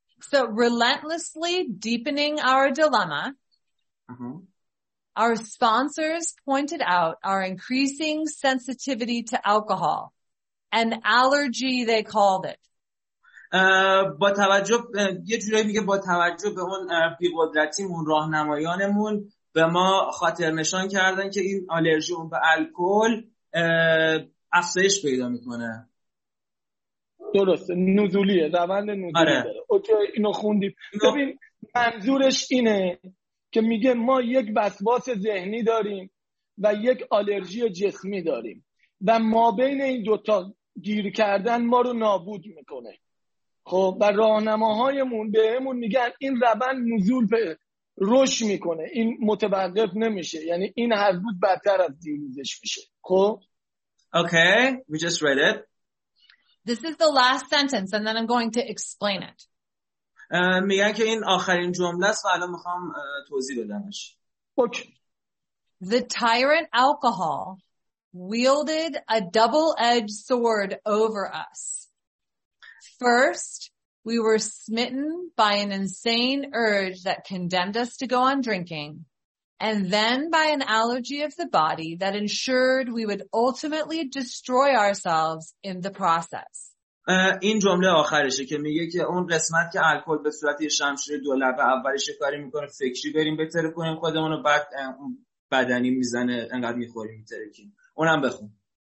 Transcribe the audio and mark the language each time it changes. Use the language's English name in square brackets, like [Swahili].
[English] So relentlessly deepening our dilemma, our sponsors pointed out our increasing sensitivity to alcohol, an allergy they called it. [Persian] با توجه یه جورایی میگه با توجه به اون بی‌قدرتیمون راهنمایانمون به ما خاطر نشان کردن که این آلرژی به الکل افزایش پیدا میکنه. درست نزولیه، روند نزولی آره. داره. اوکی اینو خوندیم. ببین منظورش اینه که میگه ما یک وسواس ذهنی داریم و یک آلرژی جسمی داریم و ما بین این دوتا گیر کردن ما رو نابود میکنه. خب و راهنماهایمون بهمون میگن این روند نزول به روش میکنه، این متوقف نمیشه، یعنی این هر روز بدتر از دیروزش میشه. خب [English] Okay we just read it. This is the last sentence, and then I'm going to explain it. [Persian] میگه که این آخرین جمله است و الان میخوام توضیح بدمش. اوکی. [English] The tyrant alcohol wielded a double-edged sword over us. First, we were smitten by an insane urge that condemned us to go on drinking, and then by an allergy of the body that ensured we would ultimately destroy ourselves in the process. [Persian] این جمله آخرشه که میگه که اون قسمت که الکل به صورت یه شمشیر دو لبه اولش کاری میکنه فکری بریم بتره کنیم خودمونو، بعد بدنی میزنه انقدر میخوریم میترکیم. اونم بخون.